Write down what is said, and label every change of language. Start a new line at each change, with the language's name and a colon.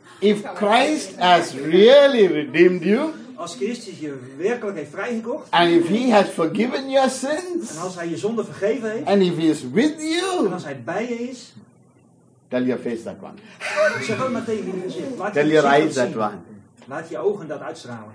English: If Christ has really redeemed you,
Dutch: als Christus je werkelijk heeft vrijgekocht,
English: and if He has forgiven your sins,
Dutch: en als Hij je zonden vergeven heeft,
English: and if He is with you,
Dutch: en als Hij bij je is,
English: tell your face that one.
Dutch: Zeg ook maar tegen je gezicht.
English: Tell your eyes that one.
Dutch: Laat je ogen dat uitstralen.